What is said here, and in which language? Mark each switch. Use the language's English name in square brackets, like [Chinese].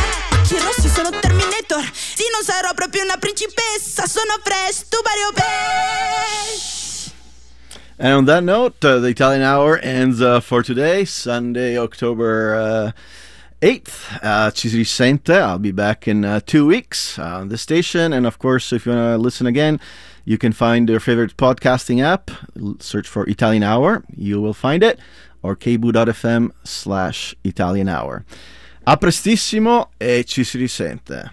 [Italian] non sarò proprio una principessa, sono fresh, tu pari o pesh. [English] And on that note, the Italian Hour ends for today, Sunday, October 8th. [Italian] Ci si sente. [English] I'll be back in 2 weeks on the station. And of course, if you want to listen again, you can find your favorite podcasting app. Search for Italian Hour. You will find it. Or kbu.fm/Italian Hour. [Italian] A prestissimo e ci si risente.